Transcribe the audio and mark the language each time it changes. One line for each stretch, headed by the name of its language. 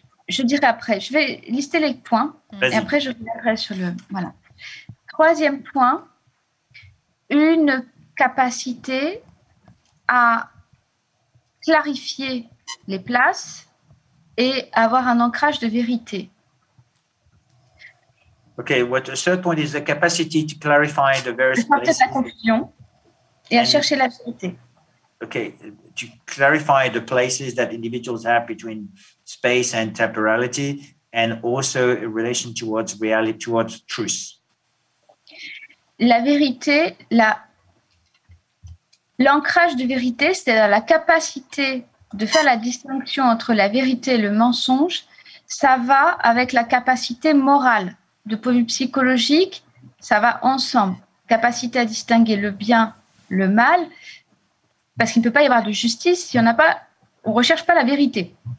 French: Je dirai après, je vais lister les points, vas-y. Et après je reviendrai sur le... Voilà. Troisième point, une capacité à clarifier les places et avoir un ancrage de vérité.
English: Okay, what the third point is the capacity to clarify the various places.
French: La confusion et à chercher la vérité.
English: Okay, to clarify the places that individuals have between space and temporality and also a relation towards reality, towards truth.
French: La vérité, l'ancrage de vérité, c'est-à-dire la capacité de faire la distinction entre la vérité et le mensonge, ça va avec la capacité morale. De point de vue psychologique, ça va ensemble. Capacité à distinguer le bien, le mal, parce qu'il ne peut pas y avoir de justice si on n'a pas, on recherche pas la vérité.